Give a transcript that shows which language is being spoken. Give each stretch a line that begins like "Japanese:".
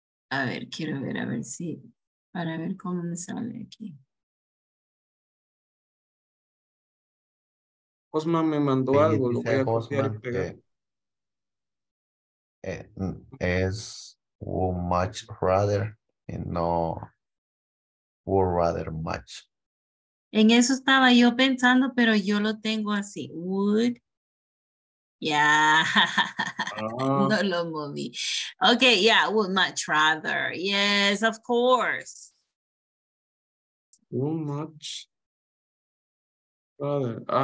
Spanish: A ver, quiero ver, a ver si, para ver cómo me sale aquí. Osman me mandó algo, lo voy a copiar y pegar. Es
English: would much rather,
Spanish: y no
English: would rather much.
Spanish: En eso estaba yo pensando, pero yo lo tengo así.
English: Would. Yeah.
Spanish: No lo moví.
English: Okay, yeah, would much rather. Yes, of course. Would much rather.